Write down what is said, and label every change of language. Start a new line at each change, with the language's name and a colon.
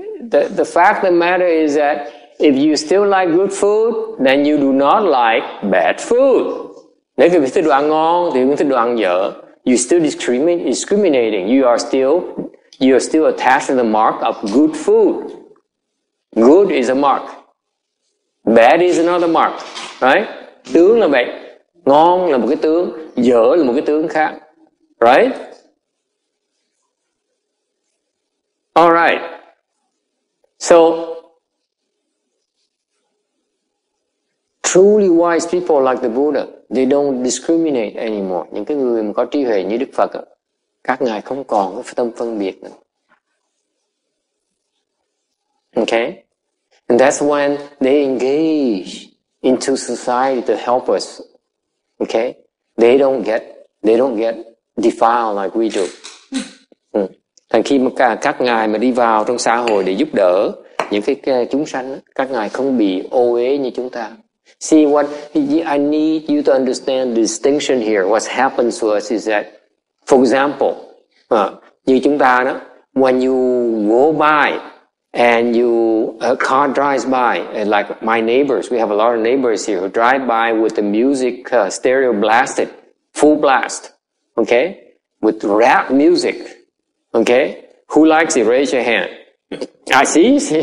English: The fact of the matter is that if you still like good food, then you do not like bad food.
Vietnamese: Nếu quý vị thích đồ ăn ngon, thì quý vị thích đồ ăn dở.
English: You're still discriminating. You are still attached to the mark of good food. Good is a mark. Bad is another mark. Right?
Vietnamese: Tướng là vậy. Ngon là một cái tướng. Dở là một cái tướng khác.
English: Right? All right. So, truly wise people like the Buddha, they don't discriminate anymore.
Vietnamese: Những cái người mà có trí huệ như Đức Phật, các ngài không còn có tâm phân biệt nữa.
English: Okay? And that's when they engage into society to help us. Okay? They don't get defiled like we do.
Vietnamese: Thành khi mà các ngài mà đi vào trong xã hội để giúp đỡ những cái chúng sanh, các ngài không bị ô uế như chúng ta.
English: See, what I need you to understand the distinction here, what happens to us is that, for example,
Vietnamese: như chúng ta đó,
English: when you go by and you a car drives by, like my neighbors, we have a lot of neighbors here who drive by with the music stereo blasted, full blast, okay, with rap music, okay, who likes it? Raise your hand. I see.